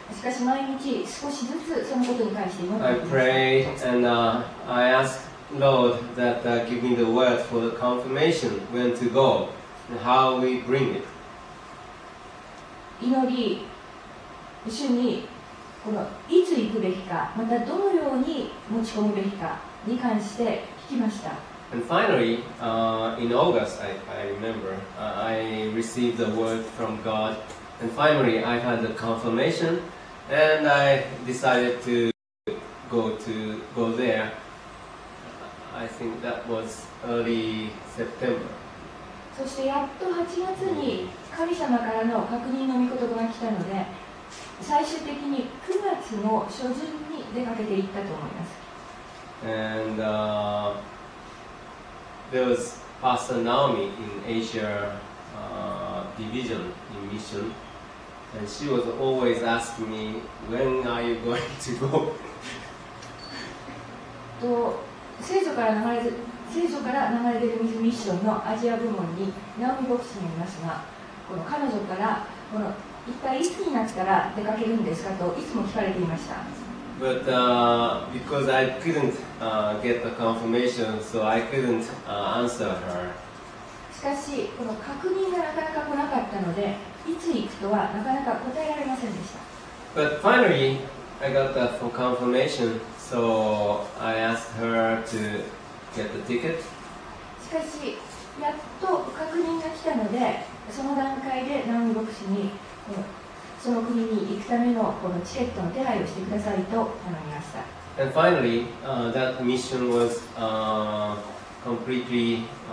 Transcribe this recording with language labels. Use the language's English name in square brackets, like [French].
[Japanese] しかし毎日少しずつそのことに関して祈っています [English] 。I pray and I ask Lord that give me the word for the confirmation when to go and how we bring it. [Japanese] 祈り、主にこのいつ行くべきか、またどのように持ち込むべきかに関して聞きました。 [English] And finally, in August, I remember, I received the word from God. And finally, I had the confirmation, and I decided to go there. I think that was early September. [Japanese] そしてやっと8月に神様からの確認の御言葉が来たので、最終的に9月の初旬に出かけていったと思います。 [English] And there was Pastor Naomi in Asia Division in Mission. And she was always asking me, when are you going to go? [Japanese] と聖書から流れ聖書から流れ出る水ミッションのアジア部門にナオミ牧師もいますが、この彼女からこの一体いつになったら出かけるんですかといつも聞かれていました。 [English] But because I couldn't get the confirmation, so I couldn't answer her. [Japanese] しかしこの確認がなかなか来なかったので、いつ行くとはなかなか答えられませんでした。 [English] But finally, I got that for confirmation, so I asked her to get the ticket. [Japanese] しかしやっと確認が来たので、その段階でナオミ牧師にこのその国に行くためのこのチケットの手配をしてくださいと頼みました。 [English] And finally, that mission was completely.